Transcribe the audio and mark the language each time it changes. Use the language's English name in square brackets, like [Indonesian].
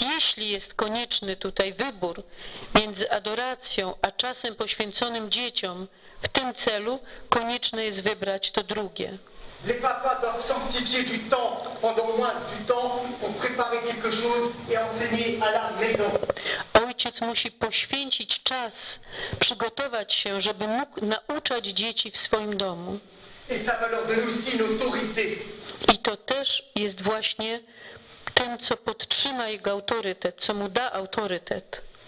[Polish] jeśli jest konieczny tutaj wybór między adoracją a czasem poświęconym dzieciom, w tym celu konieczne jest wybrać to drugie. [French] Les papas doivent sanctifier du temps, pendant au moins du temps, pour préparer quelque chose et enseigner à la maison. [Polish] Ojciec musi poświęcić czas, przygotować się, żeby mógł nauczać dzieci w swoim domu. [French] Et ça va leur donner aussi une autorité. [Polish] I to też jest właśnie tym, co podtrzyma jego autorytet, co mu da autorytet.